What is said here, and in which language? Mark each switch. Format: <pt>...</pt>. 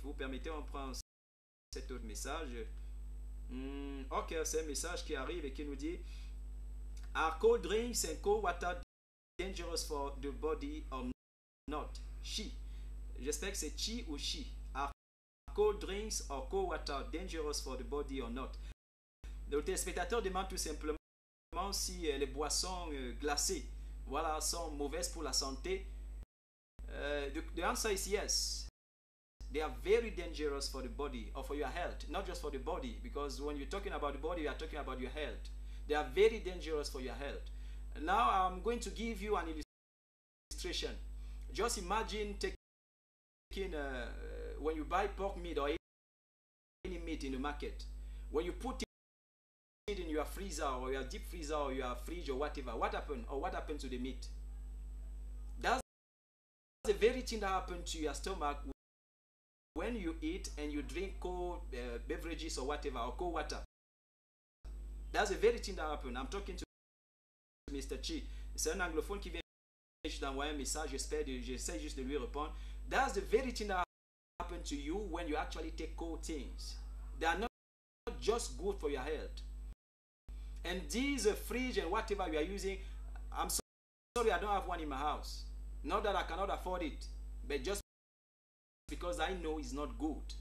<fr>Vous permettez, on prend cet autre message. Ok, c'est un message qui arrive et qui nous dit:</fr> <en>Are cold drinks and cold water dangerous for the body or not? She.</en> <fr>J'espère que c'est chi ou she.</fr> <en>Are cold drinks or cold water dangerous for the body or not?</en> <fr>Le téléspectateur demande tout simplement si les boissons glacées, voilà, sont mauvaises pour la santé.</fr> <en>The answer is yes. They are very dangerous for the body or for your health. Not just for the body, because when you're talking about the body, you are talking about your health. They are very dangerous for your health. Now I'm going to give you an illustration. Just imagine taking when you buy pork meat or any meat in the market, when you put it in your freezer or your deep freezer or your fridge or whatever, what happened or what happened to the meat? That's the very thing that happened to your stomach when you eat and you drink cold beverages or whatever or cold water. That's the very thing that happened. I'm talking to Mr. Chi.</en> <fr>C'est un anglophone qui vient d'envoyer un message. J'essaie juste de lui répondre.</fr> <en>That's the very thing that happened to you when you actually take cold things. They are not just good for your health. And these fridge and whatever you are using, I'm sorry, I don't have one in my house. Not that I cannot afford it, but just because I know it's not good.</en>